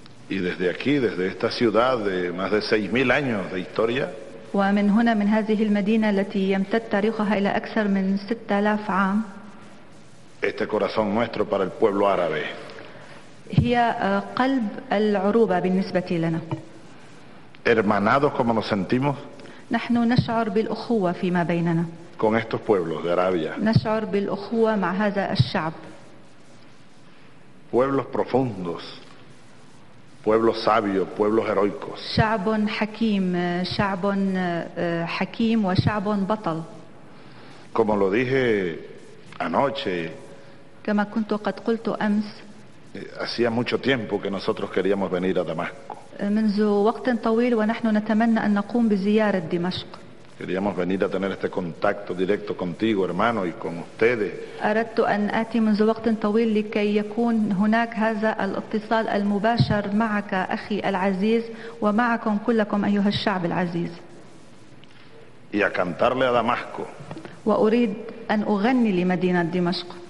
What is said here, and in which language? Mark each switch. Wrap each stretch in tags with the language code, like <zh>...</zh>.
<es>Y desde aquí, desde esta ciudad de más de 6.000 años de historia.</es> <ar>ومن هنا من هذه المدينة التي يمتد تاريخها إلى أكثر من 6000 عام.</ar> <es>Este corazón nuestro para el pueblo árabe.</es> <ar>هي قلب العروبة بالنسبة لنا.</ar> <es>Hermanados como nos sentimos.</es> <ar>نحن نشعر بالأخوة فيما بيننا.</ar> <es>Con estos pueblos de Arabia.</es> <ar>نشعر بالأخوة مع هذا الشعب.</ar> <es>Pueblos profundos. Pueblos sabios, pueblos heroicos.</es> <ar>شعب حكيم, شعب حكيم وشعب بطل.</ar> <es>Como lo dije anoche.</es> <ar>كما كنت قد قلت أمس.</ar> <es>Hacía mucho tiempo que nosotros queríamos venir a Damasco.</es> <ar>منذ وقت طويل ونحن نتمنى أن نقوم بزيارة دمشق.</ar> <es>Queríamos venir a tener este contacto directo contigo, hermano, y con ustedes.</es> <ar>أردت أن آتي منذ وقت طويل لكي يكون هناك هذا الاتصال المباشر معك أخي العزيز ومعكم كلكم أيها الشعب العزيز.</ar> <es>Y a cantarle a Damasco.</es> <ar>وأريد أن أغني لمدينة دمشق.</ar>